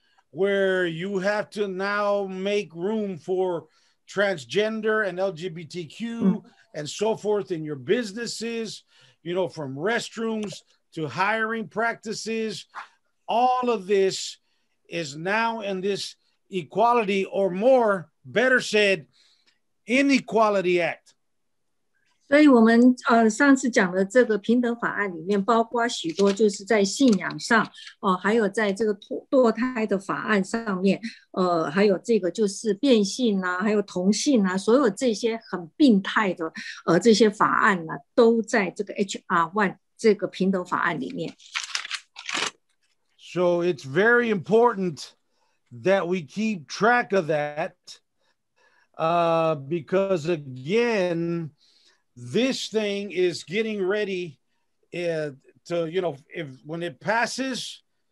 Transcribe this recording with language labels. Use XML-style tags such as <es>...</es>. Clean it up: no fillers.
<en>Where you have to now make room for transgender and LGBTQ and so forth in your businesses, you know, from restrooms to hiring practices, all of this is now in this equality or more, better said, Inequality Act.</en> <zh>所以我们上次讲的这个平等法案里面包括许多就是在信仰上还有在这个堕胎的法案上面还有这个就是变性啊还有同性啊所有这些很病态的这些法案呢、啊、都在这个 HR1 这个平等法案里面。</zh> <en>So it's very important that we keep track of that, because againThis thing is getting ready to, you know, if when it passes,</en>